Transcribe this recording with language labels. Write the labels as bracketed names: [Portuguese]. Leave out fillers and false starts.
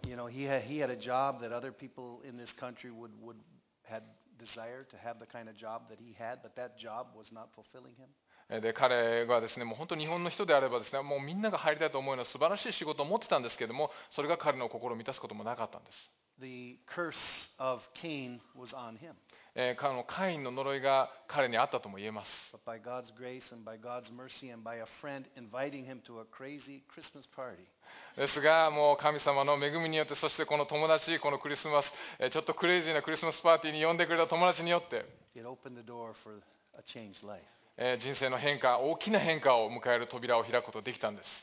[English] You know, he had a job that other people in this country would had desire to have the kind of job that he had, but that job was not fulfilling him. [Japanese] で彼がですね、もう本当に日本の人であればですね、もうみんなが入りたいと思うような素晴らしい仕事を持ってたんですけれども、それが彼の心を満たすこともなかったんです。 [English] The curse of Cain was on him. [Japanese] 彼のカインの呪いが彼にあったとも言えます。 [English] But by God's grace and by God's mercy and by a friend inviting him to a crazy Christmas party. [Japanese] ですがもう神様の恵みによって、そしてこの友達、このクリスマス、ちょっとクレイジーなクリスマスパーティーに呼んでくれた友達によって人生の変化、大きな変化を迎える扉を開くことができたんです。